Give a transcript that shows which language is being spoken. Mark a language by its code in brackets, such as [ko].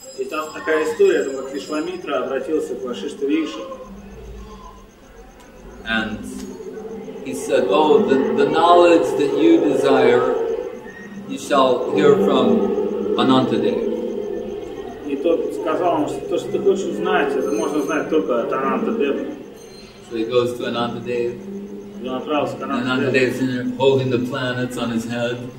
[ru] И там такая история, что Вишвамитра обратился к Вашиштхе Риши. [en] And he said, "Oh, the knowledge that you desire, you shall hear from Anantadeva." [ru] И тот сказал ему, что то, что ты хочешь знать, это можно знать только от Анантадева. [en] So he goes to Anantadeva. And Anantadev is in there holding the planets on his head.